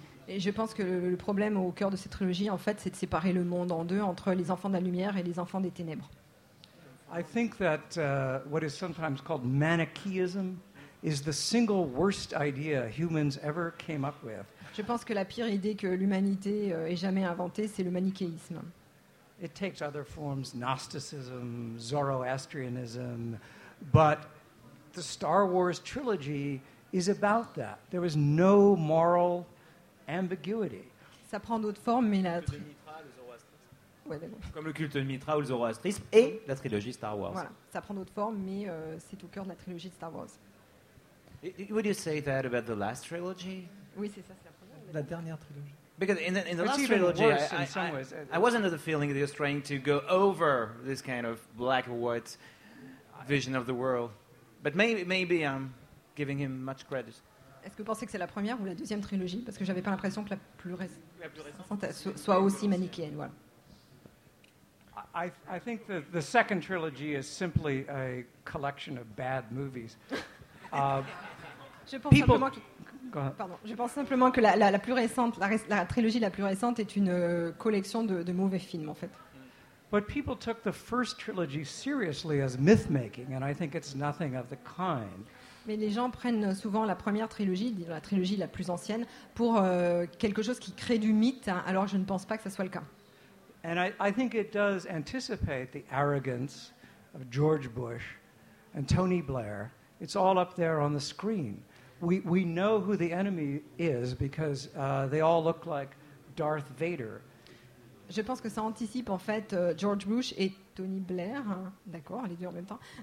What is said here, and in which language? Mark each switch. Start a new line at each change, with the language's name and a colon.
French: Et je pense que le problème au cœur de cette trilogie, en fait, c'est de séparer le monde en deux, entre les enfants de la lumière et les enfants des ténèbres.
English: I think that what is sometimes called Manichaeism is the single worst idea humans ever came up with.
French: Je pense que la pire idée que l'humanité ait jamais inventée, c'est le manichéisme.
English: It takes other forms, Gnosticism, Zoroastrianism, but the Star Wars trilogy is about that. There is no moral ambiguity.
French: Ça prend d'autres formes, mais comme le culte de Mithra ou le zoroastrisme et la trilogie Star Wars. Voilà, ça prend d'autres formes, mais c'est au cœur de la trilogie de Star Wars.
English: Would you say that about the last trilogy?
French: Oui, c'est ça, c'est la dernière trilogie.
English: Because in the it's last trilogy, I wasn't of the feeling that you're trying to go over this kind of black and white vision of the world. But maybe I'm giving him much credit.
French: Est-ce que vous pensez que c'est la première ou la deuxième trilogie? Parce que j'avais pas l'impression que la plus récente soit aussi manichéenne. Voilà.
English: I think the second trilogy is simply a collection of bad movies.
French: Je pense simplement que la trilogie la plus récente est une collection de mauvais films, en fait.
English: But people took the first trilogy seriously as myth-making, and I think it's nothing of the kind.
French: Mais les gens prennent souvent la première trilogie, la trilogie la plus ancienne, pour quelque chose qui crée du mythe, hein, alors je ne pense pas que ce soit le cas.
English: And I think it does anticipate the arrogance of George Bush and Tony Blair. It's all up there on the screen. We know who the enemy is because they all look like Darth Vader.
French: Je pense que ça anticipe en fait George Bush et Tony Blair, hein, d'accord, les deux en même temps.